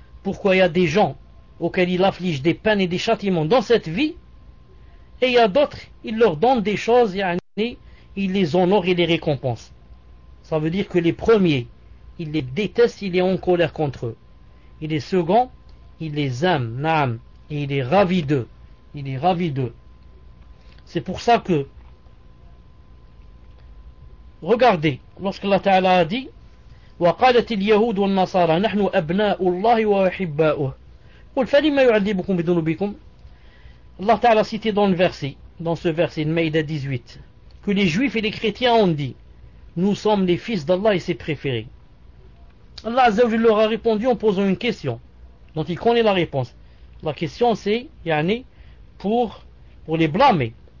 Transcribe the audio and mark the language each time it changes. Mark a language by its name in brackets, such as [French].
[French] Pourquoi il y a des gens auxquels il afflige des peines et des châtiments dans cette vie, et il y a d'autres, il leur donne des choses, yani, il les honore et les récompense. Ça veut dire que les premiers, il les déteste, il est en colère contre eux. Et les seconds, il les aime, naam, et il est ravi d'eux. Il est ravi d'eux. C'est pour ça que, regardez, lorsque Allah Ta'ala a dit, [Arabic] وَقَالَتِ الْيَهُودُ وَالنَّصَارَى نَحْنُ أَبْنَاءُ اللَّهِ وَأَحِبَّاؤُهُ قُلْ فَلِمَ يُعَذِّبُكُمْ بِذُنُوبِكُمْ. [French] Allah Ta'ala a cité dans le verset, dans ce verset, Maïda 18, que les juifs et les chrétiens ont dit, nous sommes les fils d'Allah et ses préférés. Allah Azza wa Jalla leur a répondu en posant une question. Donc il connaît la réponse. La question c'est, yani, pour les blâmer.